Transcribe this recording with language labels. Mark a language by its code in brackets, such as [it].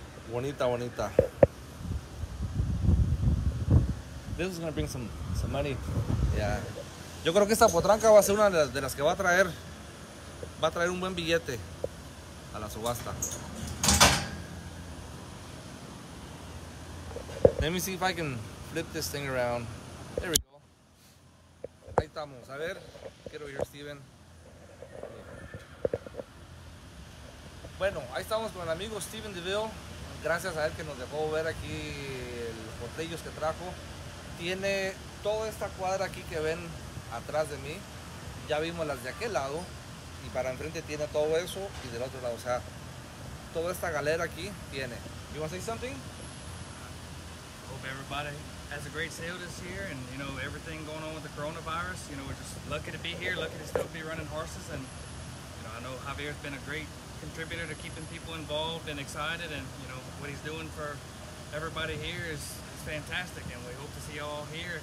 [es] Bonita, bonita. [en] This is gonna bring some money. Yeah. [es] Yo creo que esta potranca va a ser una de las que va a traer un buen billete a la subasta. [en] Let me see if I can flip this thing around. There we go. [es] Ahí estamos. A ver, quiero ir, Steven. Bueno, ahí estamos con el amigo Steven DeVeo. Gracias a él que nos dejó ver aquí los potrillos que trajo. Tiene toda esta cuadra aquí que ven atrás de mí. Ya vimos las de aquel lado. Y para enfrente tiene todo eso. Y del otro lado, o sea, toda esta galera aquí tiene. [en] You want to say something? Hope everybody has a great sale this year. And, you know, everything going on with the coronavirus. You know, we're just lucky to be here. Lucky to still be running horses. And, you know, I know Javier's been a great contributor to keeping people involved and excited, and you know what he's doing for everybody here is fantastic, and we hope to see you all here.